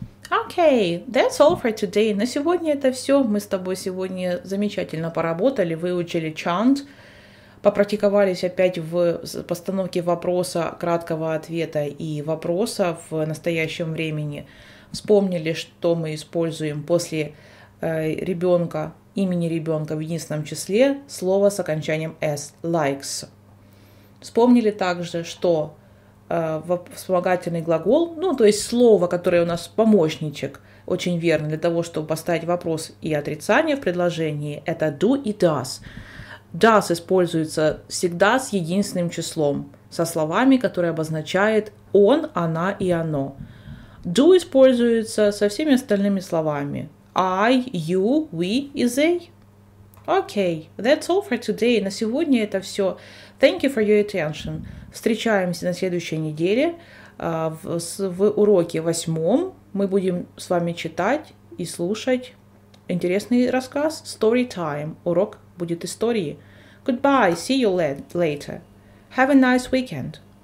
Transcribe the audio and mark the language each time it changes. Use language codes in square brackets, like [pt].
[en] Okay, that's all for today. [ru] На сегодня это все. Мы с тобой сегодня замечательно поработали, выучили chant, попрактиковались опять в постановке вопроса, краткого ответа и вопроса в настоящем времени. Вспомнили, что мы используем после ребенка, имени ребенка в единственном числе, слово с окончанием s, likes. Вспомнили также, что вспомогательный глагол, ну, то есть слово, которое у нас помощничек, очень верно для того, чтобы поставить вопрос и отрицание в предложении, это do и does. Does используется всегда с единственным числом, со словами, которые обозначают он, она и оно. Do используется со всеми остальными словами. [en] I, you, we и they. Okay, that's all for today. [ru] На сегодня это все. [en] Thank you for your attention. [ru] Встречаемся на следующей неделе в уроке 8. Мы будем с вами читать и слушать интересный рассказ Story Time. Урок будет истории. [en] Goodbye, see you later. Have a nice weekend.